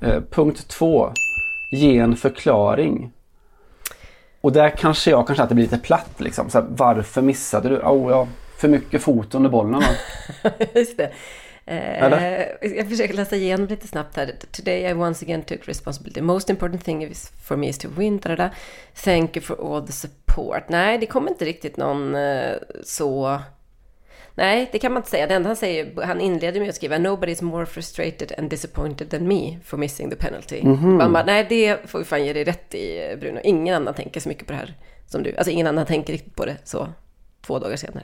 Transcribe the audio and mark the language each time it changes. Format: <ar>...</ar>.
<sv>Punkt 2. Ge en förklaring. Och där kanske att det blir lite platt. Liksom. Så här, varför missade du? För mycket fot under bollen. Just det. Jag försöker läsa igenom lite snabbt här.</sv> <en>Today I once again took responsibility. Most important thing for me is to win. Da-da-da. Thank you for all the support.</en> <sv>Nej, det kommer inte riktigt någon så... Nej, det kan man inte säga. Det enda han säger, han inleder med att skriva</sv> <en>nobody's more frustrated and disappointed than me for missing the penalty.</en> <sv>Mm-hmm. Bara, nej, det får vi fan ge dig rätt i, Bruno. Ingen annan tänker så mycket på det här som du. Alltså ingen annan tänker riktigt på det så två dagar senare.</sv>